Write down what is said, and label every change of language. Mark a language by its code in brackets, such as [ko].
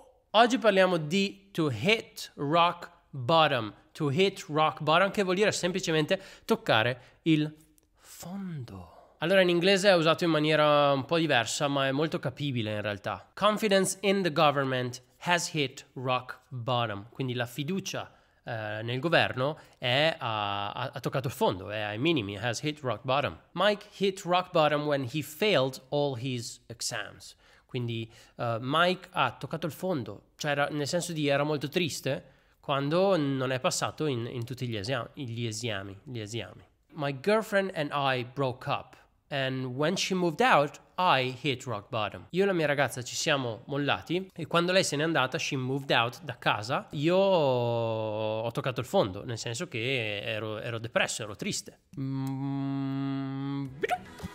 [it] Oggi parliamo di [en] to hit rock bottom. To hit rock bottom, [it] che vuol dire semplicemente toccare il fondo. Allora, in inglese è usato in maniera un po' diversa, ma è molto capibile in realtà. [en] Confidence in the government has hit rock bottom. [it] Quindi la fiducia nel governo ha toccato il fondo, è ai minimi, [en] has hit rock bottom. Mike hit rock bottom when he failed all his exams. [it] Quindi Mike ha toccato il fondo, cioè era molto triste quando non è passato in tutti gli esami. [en] My girlfriend and I broke up, and when she moved out, I hit rock bottom. [it] Io e la mia ragazza ci siamo mollati, e quando lei se n'è andata, [en] she moved out [it] da casa, io ho toccato il fondo, nel senso che ero depresso, ero triste.